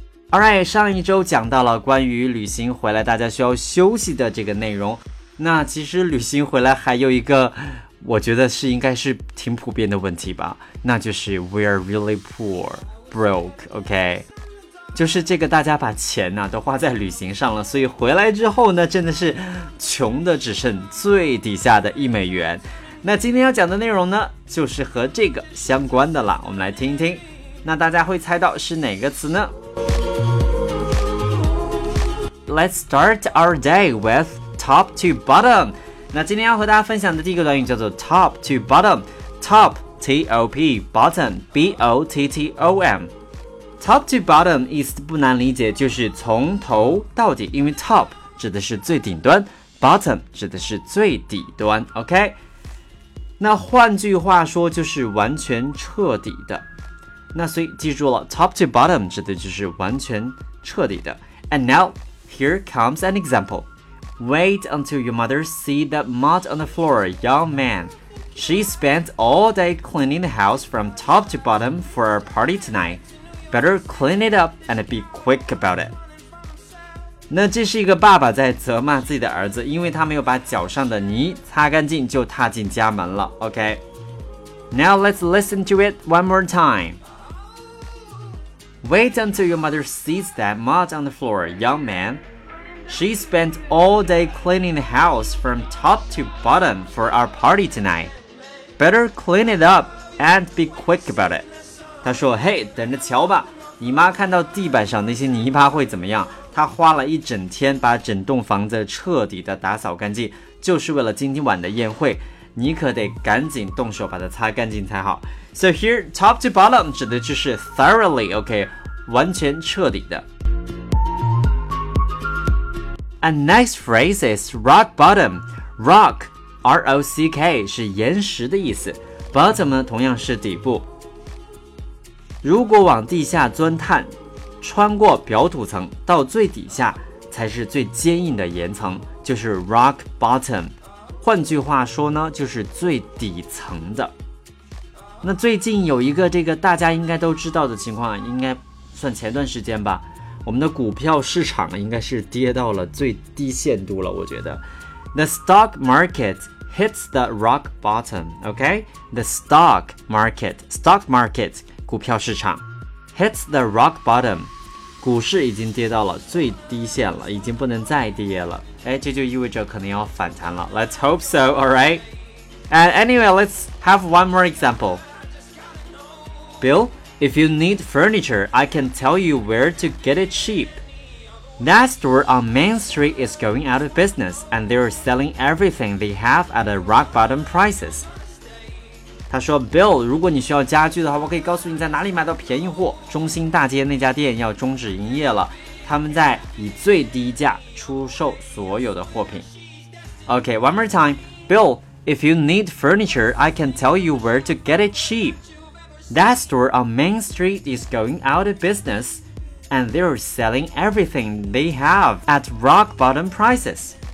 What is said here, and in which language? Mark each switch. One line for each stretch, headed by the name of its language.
Chinese: Alright, 上一周讲到了关于旅行回来大家需要休息的这个内容，那其实旅行回来还有一个我觉得是应该是挺普遍的问题吧，那就是
English: We are really poor, broke, OK
Chinese: 就是这个大家把钱呢、都花在旅行上了，所以回来之后呢真的是穷的只剩最底下的一美元。那今天要讲的内容呢就是和这个相关的了，我们来听一听，那大家会猜到是哪个词呢？
English: Let's start our day with top to bottom.
Chinese: 那今天要和大家分享的第一个短语叫做 top to bottom. Top, T-O-P, bottom, B-O-T-T-O-M. Top to bottom 意思不难理解，就是从头到底，因为 top 指的是最顶端， bottom 指的是最底端， OK? 那换句话说就是完全彻底的。那所以记住了， top to bottom 指的就是完全彻底的。
English: And nowHere comes an example. Wait until your mother sees that mud on the floor, young man. She spent all day cleaning the house from top to bottom for our party tonight. Better clean it up and be quick about it.
Chinese: 那这是一个爸爸在责骂自己的儿子，因为他没有把脚上的泥擦干净就踏进家门了。
English: OK. Now let's listen to it one more time. Wait until your mother sees that mud on the floor, young man. She spent all day cleaning the house from top to bottom for our party tonight. Better clean it up and be quick about it.
Chinese: 她说，嘿，等着瞧吧，你妈看到地板上那些泥巴会怎么样？她花了一整天把整栋房子彻底的打扫干净，就是为了今天晚的宴会。你可得赶紧动手把它擦干净才好。
English: So here,
Chinese: top to bottom 指的就是
English: thoroughly, OK,
Chinese: 完全彻底的。
English: And next phrase is rock bottom. Rock, R-O-C-K,
Chinese: 是岩石的意思，
English: bottom
Chinese: 呢同样是底部。如果往地下钻探，穿过表土层到最底下才是最坚硬的岩层，就是 rock bottom。换句话说呢就是最底层的。那最近有一个这个大家应该都知道的情况，应该算前段时间吧，我们的股票市场应该是跌到了最低限度了，我觉得。
English: The stock market hits the rock bottom, OK? The stock market,
Chinese: 股票市场
English: hits the rock bottom,
Chinese: 股市已经跌到了最低限了，已经不能再跌了。哎，这就意味着可能要反弹了。
English: Let's hope so, alright? And anyway, let's have one more example. Bill, if you need furniture, I can tell you where to get it cheap. That store on Main Street is going out of business, and they're selling everything they have at a rock bottom prices.
Chinese: 他说 ,Bill, 如果你需要家具的话，我可以告诉你在哪里买到便宜货。中心大街那家店要终止营业了。他们在以最低价出售所有的货品。
English: OK, one more time. Bill, if you need furniture, I can tell you where to get it cheap. That store on Main Street is going out of business, and they're selling everything they have at rock bottom prices.